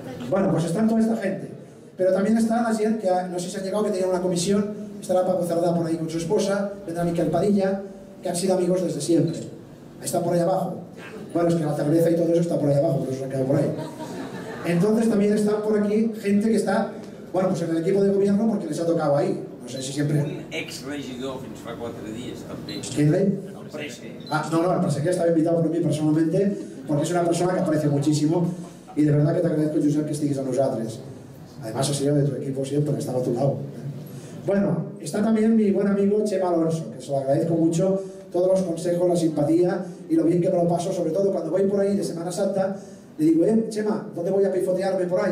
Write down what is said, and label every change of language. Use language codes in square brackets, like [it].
[es] Bueno, pues están toda esta gente. Pero también está la gente que no sé si han llegado, que tenía una comisión, estará Paco Cerdá por ahí con su esposa, vendrá Miquel Padilla, que han sido amigos desde siempre. Está por ahí abajo. Bueno, es que la cerveza y todo eso está por ahí abajo, pero eso se ha quedado por ahí. Entonces también está por aquí gente que está, bueno, pues en el equipo de gobierno porque les ha tocado ahí. No sé si siempre... [ca] Un ex-regidor fins fa 4 dies, també. [es] ¿Quién le? El Presque. Ah, no, el Presque estava invitado por mi personalmente, porque es una persona que aprecio muchísimo y de verdad que te agradezco, Josep, [ca] que estiguis a nosaltres. [es] Además, el señor de tu equipo siempre estaba a tu lado. Bueno, está también mi buen amigo Chema Alonso, que se lo agradezco mucho, todos los consejos, la simpatía y lo bien que me lo paso, sobre todo cuando voy por ahí de Semana Santa, le digo, Chema, ¿dónde voy a pifotearme por ahí?